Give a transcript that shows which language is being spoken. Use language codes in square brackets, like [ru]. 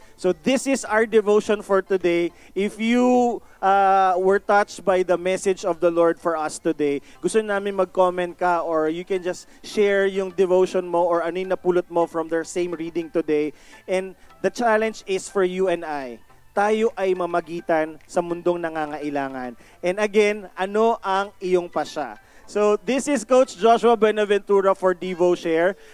[en] So this is our devotion for today. If you were touched by the message of the Lord for us today, [tl] gusto namin mag-comment ka [en] or you can just share [tl] yung devotion mo [en] or [tl] ano yung napulot mo [en] from their same reading today. And the challenge is for you and I. [tl] Tayo ay mamagitan sa mundong nangangailangan. [en] And again, [tl] ano ang iyong pasya? [en] So this is Coach Joshua Benaventura for DevoShare.